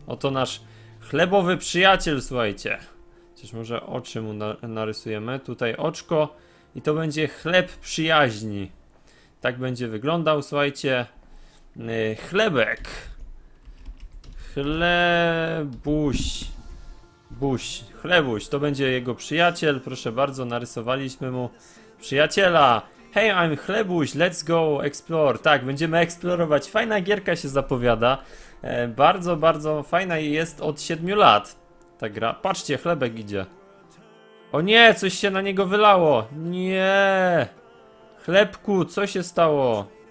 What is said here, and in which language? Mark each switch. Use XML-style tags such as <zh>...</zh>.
<pl>Oto nasz chlebowy przyjaciel, słuchajcie. Chociaż może oczy mu narysujemy, tutaj oczko i to będzie chleb przyjaźni. Tak będzie wyglądał, słuchajcie, chlebek. Chlebuś. Buś, chlebuś, to będzie jego przyjaciel. Proszę bardzo, narysowaliśmy mu przyjaciela.</pl> <en>Hey, I'm chlebuś, let's go explore.</en> <pl>Tak, będziemy eksplorować. Fajna gierka się zapowiada. Bardzo, bardzo fajna jest od 7 lat ta gra. Patrzcie, chlebek idzie. O nie, coś się na niego wylało. Nie. Chlebku, co się stało?</pl>